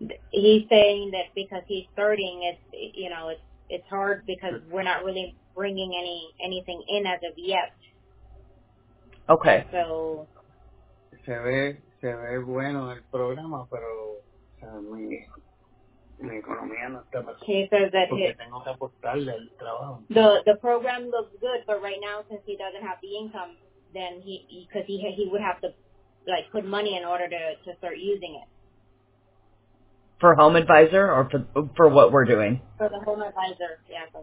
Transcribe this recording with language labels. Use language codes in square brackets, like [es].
[en] He's saying that because he's starting, it's hard because we're not really bringing anything in as of yet. Okay. So. [es] Se ve bueno el programa, pero mi economía no está pasando. [en] He says that [es] tengo que aportarle el trabajo. [en] The program looks good, but right now since he doesn't have the income, then he would have to like put money in order to start using it. For Home Advisor or for what we're doing? For the Home Advisor, yeah.